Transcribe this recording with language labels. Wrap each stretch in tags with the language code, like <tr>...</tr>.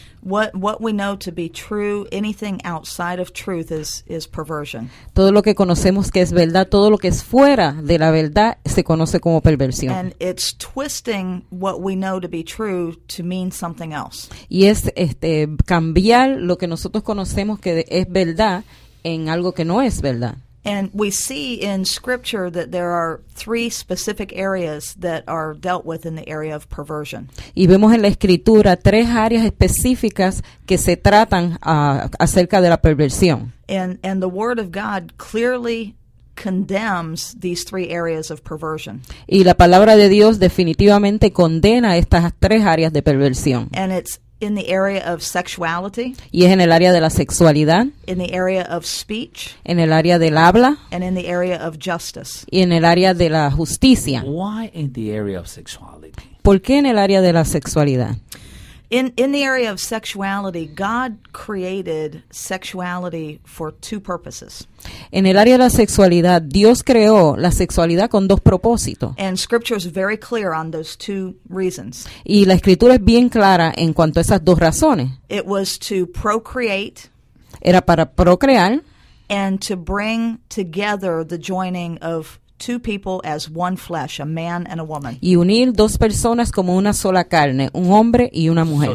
<en>What we know to be true, anything outside of truth is perversion.</en> <es>Todo lo que conocemos que es verdad, todo lo que es fuera de la verdad se conoce como perversión.</es> <en>And it's twisting what we know to be true to mean something else.</en> <es>Y es cambiar lo que nosotros conocemos que es verdad en algo que no es verdad.</es> <en>And we see in Scripture that there are three specific areas that are dealt with in the area of perversion.</en> <es>Y vemos en la Escritura tres áreas específicas que se tratan acerca de la perversión.</es> <en>And the Word of God clearly condemns these three areas of perversion.</en> <es>Y la palabra de Dios definitivamente condena estas tres áreas de perversión.</es> <en>And it's in the area of sexuality,</en> <es>y es en el área de la sexualidad,</es> <en>in the area of speech,</en> <es>en el área del habla,</es> <en>and in the area of justice,</en> <es>y en el área de la justicia.</es> <en>Why in the area of sexuality?</en> <es>¿Por qué en el área de la sexualidad?</es> <en>In the area of sexuality, God created sexuality for two purposes.</en> <es>En el área de la sexualidad, Dios creó la sexualidad con dos propósitos.</es> <en>And Scripture is very clear on those two reasons.</en> <es>Y la Escritura es bien clara en cuanto a esas dos razones.</es> <en>It was to procreate.</en> <es>Era para procrear.</es> <en>And to bring together the joining of two people as one flesh, a man and a woman.</en> <es>Y unir dos personas como una sola carne, un hombre y una mujer.</es>